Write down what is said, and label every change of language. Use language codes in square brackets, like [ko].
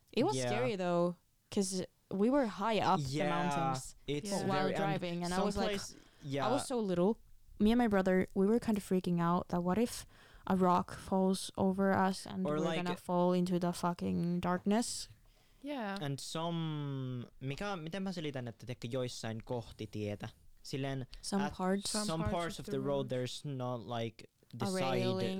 [en] It was yeah. scary, though, because we were high up yeah, the mountains it's while very, driving, and I was like, yeah. I was so little. Me and my brother, we were kind of freaking out that what if a rock falls over us and or we're like gonna fall into the fucking darkness. Yeah. And some, [fi] mikä, miten mä selitän, että teikö joissain kohti tietä, silleen [en] some parts, some parts of the road, there's not like the a side railing.